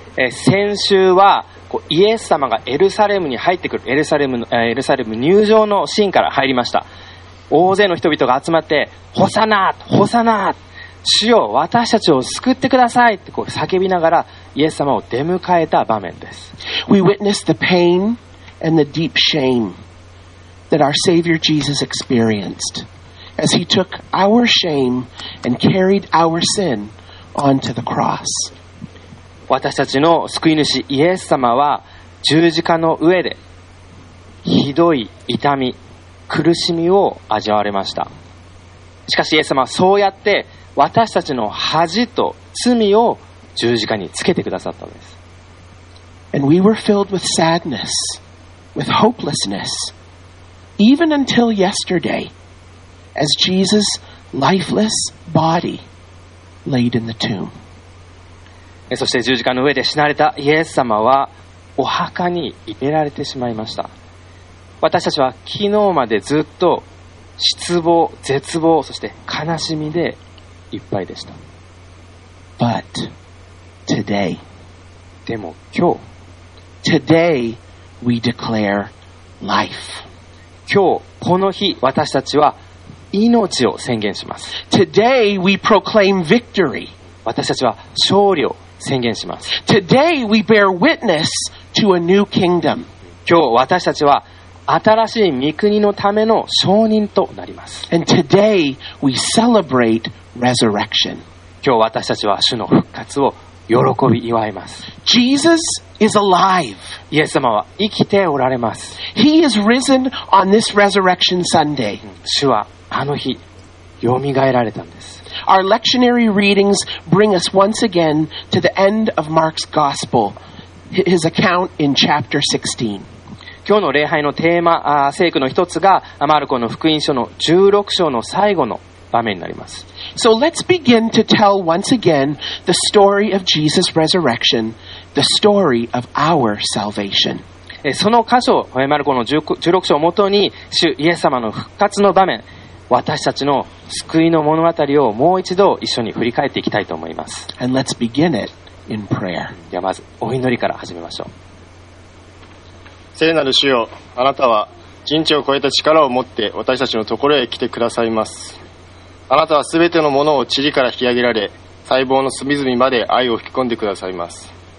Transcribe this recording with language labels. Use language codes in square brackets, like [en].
[ja] 先週はイエス様がエルサレムに入ってくる、エルサレム入場のシーンから入りました。大勢の人々が集まって、ホサナー、ホサナー、主よ、私たちを救ってくださいってこう叫びながらイエス様を出迎えた場面です。 [en] We witnessed the pain and the deep shame that our Savior Jesus experienced as he took our shame and carried our sin onto the cross. [ja] 私たちの救い主イエス様は十字架の上でひどい痛み、苦しみを味わわれました。しかしイエス様はそうやって私たちの恥と罪を十字架につけてくださったんです。 [en] And we were filled with sadness, with hopelessness, even until yesterday, as Jesus' lifeless body laid in the tomb. [ja] そして十字架の上で死なれたイエス様はお墓に入れられてしまいました。私たちは昨日までずっと失望、絶望、そして悲しみでいっぱいでした。 [en] But today, [ja] でも今日、 [en] today we declare life. [ja] 今日この日私たちは命を宣言します。 [en] Today we proclaim victory. [ja] 私たちは勝利を宣言します。 [en] Today we bear witness to a new kingdom. [ja] 今日私たちは新しい御国のための証人となります。 [en] And today we celebrate resurrection. [ja] 今日私たちは主の復活を喜び祝います。 [en] Jesus is alive. [ja] イエス様は生きておられます。 [en] He is risen on this resurrection Sunday. [ja] 主はあの日よみがえられたんです。 [en] Our lectionary readings bring us once again to the end of Mark's gospel, his account in chapter 16. [ja] 今日の礼拝のテーマ、聖句の一つがマルコの福音書の16章の最後の場面になります。 [en] So let's begin to tell once again the story of Jesus' resurrection, the story of our salvation. [ja] その箇所、マルコの16章をもとに主イエス様の復活の場面、私たちの救いの物語をもう一度一緒に振り返っていきたいと思います。 [en] And let's begin it in prayer. [ja] ではまずお祈りから始めましょう。聖なる主よ、あなたは人知を超えた力を持って私たちのところへ来てくださいます。あなたはすべてのものを塵から引き上げられ、細胞の隅々まで愛を吹き込んでくださいます。